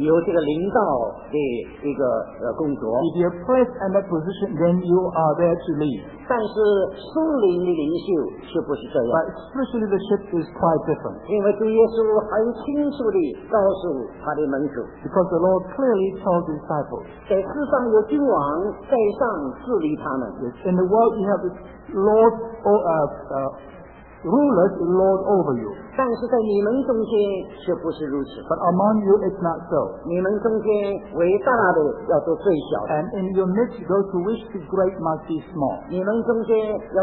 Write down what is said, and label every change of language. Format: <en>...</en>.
<zh>你如果有那个地位，你就有这个领导的一个工作。</zh> <en>If you are placed in that position, then you are there to lead.</en> <zh>但是属灵的领袖却不是这样。</zh> <en>But spiritual leadership is quite different.</en> <zh>因为主耶稣很清楚地告诉他的门徒。</zh> <en>Because the Lord clearly told the disciples.</en> <zh>在世上有君王在上治理他们。</zh> <en>Yes, in the world you have Lord or rulers lord over you.</en> <zh>但是在你们中间却不是如此。</zh> <en>But among you it's not so.</en> <zh>你们中间为大的要做最小的。 And</zh> <en>in your midst those who wish to be great must be small.</en>